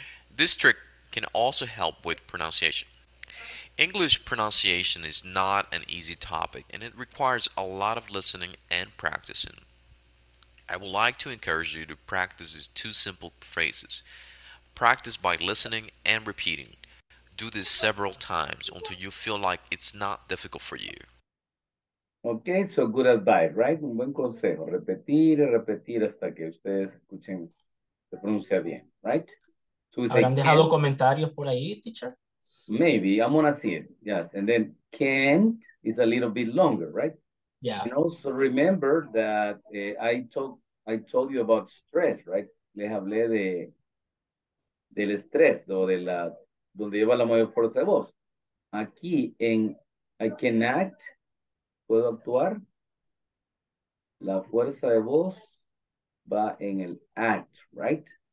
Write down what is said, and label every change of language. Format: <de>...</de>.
<en>This trick can also help with pronunciation. English pronunciation is not an easy topic, and it requires a lot of listening and practicing. I would like to encourage you to practice these two simple phrases. Practice by listening and repeating. Do this several times until you feel like it's not difficult for you. Okay, so good advice, right?</en> <es>Un buen consejo. Repetir y repetir hasta que ustedes escuchen, se pronuncia bien,</es> <en>right?</en> <es>So ¿habrán dejado comentarios por ahí, teacher?</es> <en>Maybe. I'm going to see it. Yes. And then can't is a little bit longer, right? Yeah. And also remember that I told you about stress, right?</en> <es>Les hablé del estrés, o de la, donde lleva la mayor fuerza de voz. Aquí en</es> <en>I can act,</en> <es>puedo actuar. La fuerza de voz va en el act,</es> <en>right?</en>